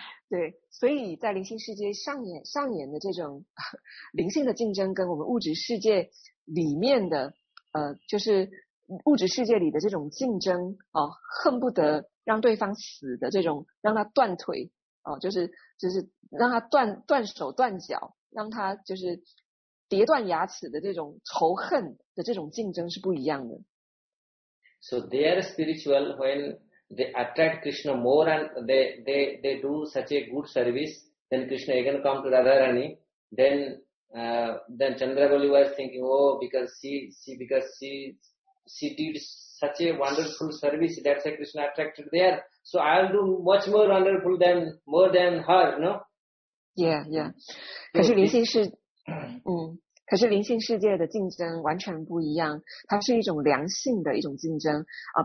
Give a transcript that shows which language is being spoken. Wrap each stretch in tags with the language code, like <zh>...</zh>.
<zh>对，所以在灵性世界上演的这种灵性的竞争，跟我们物质世界里面的就是物质世界里的这种竞争恨不得让对方死的这种，让他断腿。就是让他断手断脚，让他就是跌断牙齿的这种仇恨的这种竞争是不一样的。</zh> <en>So they are spiritual when they attract Krishna more and they do such a good service, then Krishna again come to Radharani, then Chandravali was thinking, oh, because she did such a wonderful service, that's why Krishna attracted there. So I'll do much more wonderful than, more than her, no? Yeah, yeah.</en> <zh>可是灵性世嗯，可是灵性世界的竞争完全不一样，它是一种良性的一种竞争啊。</zh>